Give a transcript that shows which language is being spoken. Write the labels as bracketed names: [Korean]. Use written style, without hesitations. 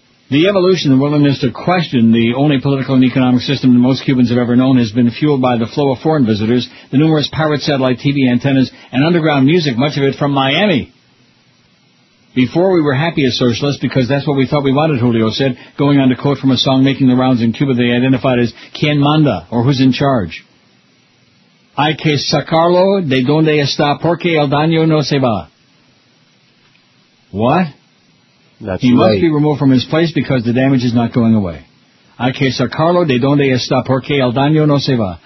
[English] The evolution and willingness to question the only political and economic system that most Cubans have ever known has been fueled by the flow of foreign visitors, the numerous pirate satellite TV antennas, and underground music, much of it from Miami. Before we were happy as socialists because that's what we thought we wanted, Julio said, going on to quote from a song making the rounds in Cuba they identified as Quien Manda, or Who's in Charge. [Spanish] Hay que sacarlo de donde está porque el daño no se va. [English] What? That's he right. Must be removed from his place because the damage is not going away. [Spanish] Hay que sacarlo de donde está porque el daño no se va.